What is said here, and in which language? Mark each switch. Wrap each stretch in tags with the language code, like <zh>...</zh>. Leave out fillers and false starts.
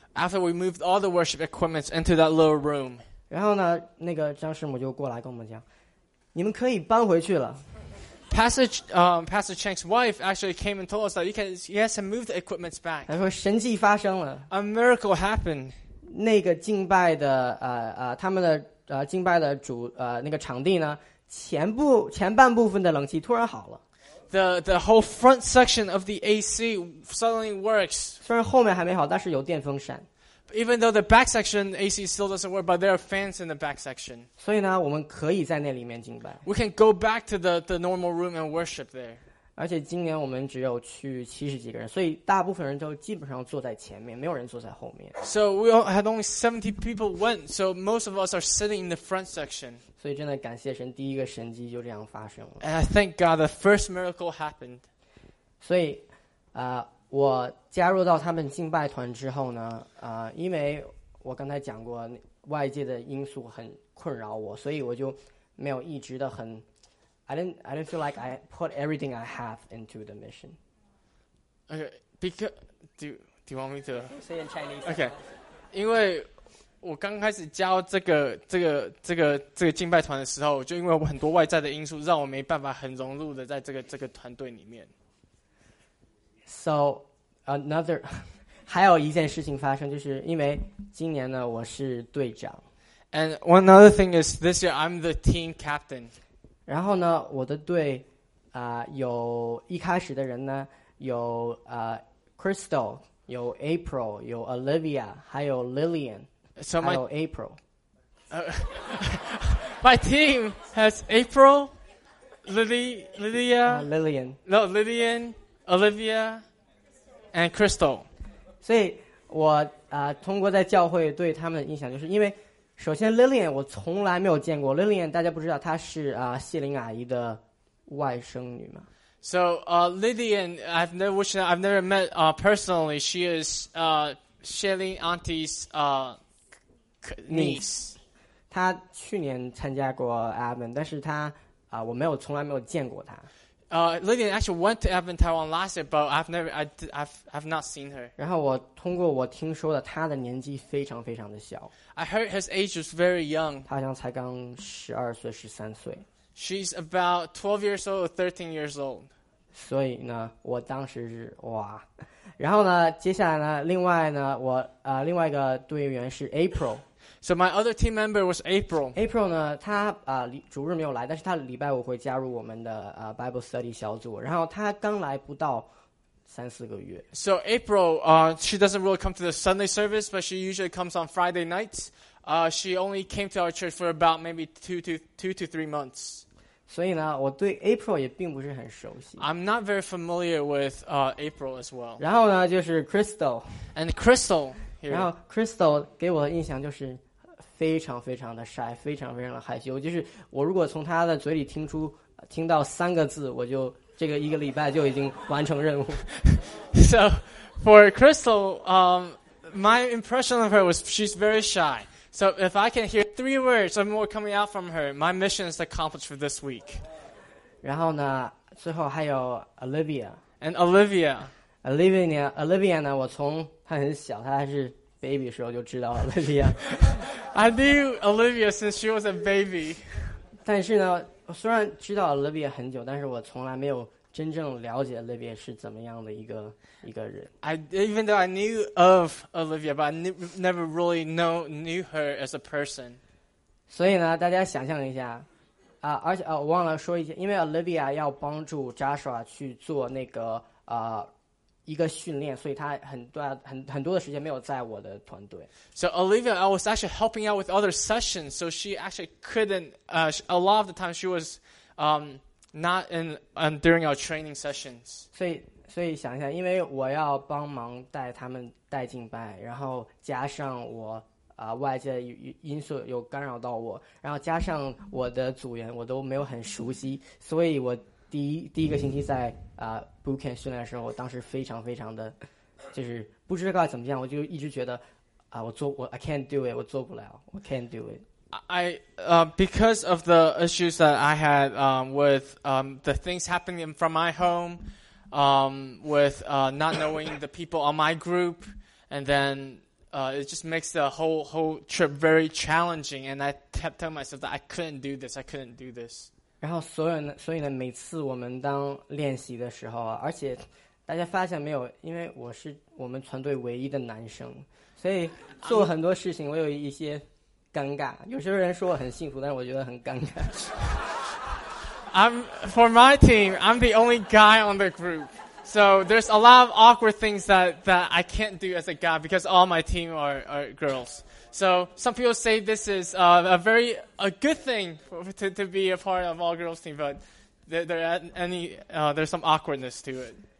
<en>After we moved all the worship equipment into that little room.</en> <zh>然后呢，那个张师母就过来跟我们讲，你们可以搬回去了。</zh> <en>Pastor Chang's wife actually came and told us that he has moved the equipment back.</en> <zh>他说神迹发生了。</zh> <en>A miracle happened.</en> <zh>那个敬拜的他们的敬拜的主那个场地呢，前半部分的冷气突然好了。</zh> <en>The whole front section of the AC suddenly works.</en> <zh>虽然后面还没好，但是有电风扇。</zh> <en>Even though the back section AC still doesn't work, but there are fans in the back section.</en> <zh>所以呢，我们可以在那里面敬拜。</zh> <en>We can go back to the normal room and worship there.</en> <zh>而且今年我们只有去七十几个人，所以大部分人都基本上坐在前面，没有人坐在后面。</zh> <en>So we had only 70 people went, so most of us are sitting in the front section.</en> <zh>所以真的感谢神，第一个神迹就这样发生了。</zh> <en>And I thank God the first miracle happened.</en> <zh>所以，我加入到他们敬拜团之后呢，因为我刚才讲过外界的因素很困扰我，所以我就没有一直的很。</zh> <en>I didn't feel like I put everything I have into the mission. Okay, because do you want me to say in Chinese?</en> <zh>Okay, 因为我刚开始教这个敬拜团的时候，就因为我很多外在的因素，让我没办法很融入的在这个团队里面。</zh> <en>So another，</en> <zh>还有一件事情发生，就是因为今年呢，我是队长。</zh> <en>And one other thing is this year I'm the team captain。</en> <zh>然后呢，我的队啊、有一开始的人呢，有Crystal， 有 April， 有 Olivia， 还有 Lillian。</zh> <en>So my April, my team has April, Lillian, no Lillian, Olivia, and Crystal.</en> <zh>所以我啊、通过在教会对他们的印象，就是因为首先 Lillian 我从来没有见过 Lillian， 大家不知道她是啊、谢玲阿姨的外甥女吗？</zh> <en>So Lillian, I've never met personally. She is Shelly's auntie's niece，</en> <zh>他去年参加过 Advent， 但是他我没有从来没有见过他。</zh> <en>Lillian actually went to Advent Taiwan last year, but I've not seen her.</en> <zh>然后我通过我听说的，他的年纪非常非常的小。</zh> <en>I heard his age is very young.</en> <zh>他好像才刚十二岁、十三岁。</zh> <en>She's about 12 years old or 13 years old.</en> <zh>所以呢，我当时是哇。然后呢，接下来呢，另外呢，我另外一个队员是 April。</zh> <en>So my other team member was April.</en> <zh>April 呢，他主日没有来，但是他礼拜五会加入我们的Bible study 小组。然后他刚来不到三四个月。</zh> <en>So April, she doesn't really come to the Sunday service, but she usually comes on Friday nights. She only came to our church for about maybe two to three months.</en> <zh>所以呢，我对 April 也并不是很熟悉。</zh> <en>I'm not very familiar with April as well.</en> <zh>然后呢，就是 Crystal.</zh> <en>And Crystal.</en> <zh>然后 Crystal 给我的印象就是非常非常的 shy， 非常非常的害羞。就是我如果从他的嘴里听到三个字，我就这个一个礼拜就已经完成任务。</zh> <en>So for Crystal, my impression of her was she's very shy. So if I can hear three words or more coming out from her, my mission is accomplished for this week.</en> <zh>然后呢，最后还有 Olivia.</zh> <en>And Olivia.</en> <zh>Olivia 呢，我从她很小，她还是 baby 时候就知道 Olivia.</zh> <en>I knew Olivia since she was a baby.</en> <zh>但是呢，虽然知道 Olivia 很久，但是我从来没有真正了解 Olivia 是怎么样的一个人。</zh> <en>Even though I knew of Olivia, but I never really knew her as a person.</en> <zh>所以呢，大家想象一下，而且我忘了说一下，因为 Olivia 要帮助 Joshua 去做那个一个训练，所以他很多的时间没有在我的团队。</zh> <en>So Olivia, I was actually helping out with other sessions, so she actually couldn't. A lot of the time, she was not in and during our training sessions.</en> <zh>所以想一下，因为我要帮忙带他们带敬拜，然后加上我外界因素有干扰到我，然后加上我的组员我都没有很熟悉，所以我第一个星期在boot camp 训练的时候，我当时非常非常的就是不知道怎么样，我就一直觉得</zh> <en>I can't do it，</en> <zh>我做不了，我</zh> <en>can't do it。 Because of the issues that I had with the things happening from my home, with not knowing the people on my group, and then it just makes the whole trip very challenging. And I kept telling myself that I couldn't do this.</en> <zh>然后所以呢，每次我们当练习的时候啊，而且大家发现没有，因为我是我们团队唯一的男生，所以做很多事情我有一些尴尬。有些人说我很幸福，但是我觉得很尴尬。</zh> <en>For my team, I'm the only guy on the group. So there's a lot of awkward things that I can't do as a guy because all my team are girls. So some people say this is a very good thing to be a part of all girls team, but there's some awkwardness to it.</en>